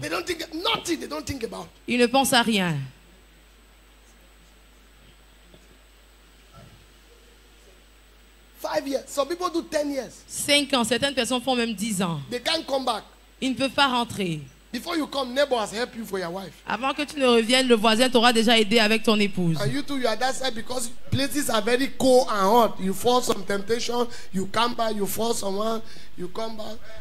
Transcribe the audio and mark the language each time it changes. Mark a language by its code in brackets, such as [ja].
[en] They don't think nothing. They don't think about. [fr] Ils ne pensent à rien. [en] Some people do 10 years. [fr] 5 ans, certaines personnes font même 10 ans. [en] They can't come back. [fr] Ils ne peuvent pas rentrer. [en] Before you come, neighbor has helped you for your wife. [fr] Avant que tu ne reviennes, le voisin t'aura déjà aidé avec ton épouse. [en] And you too, you are that side because places are very cold and hot. You fall some temptation, you come back, you fall someone, you come back.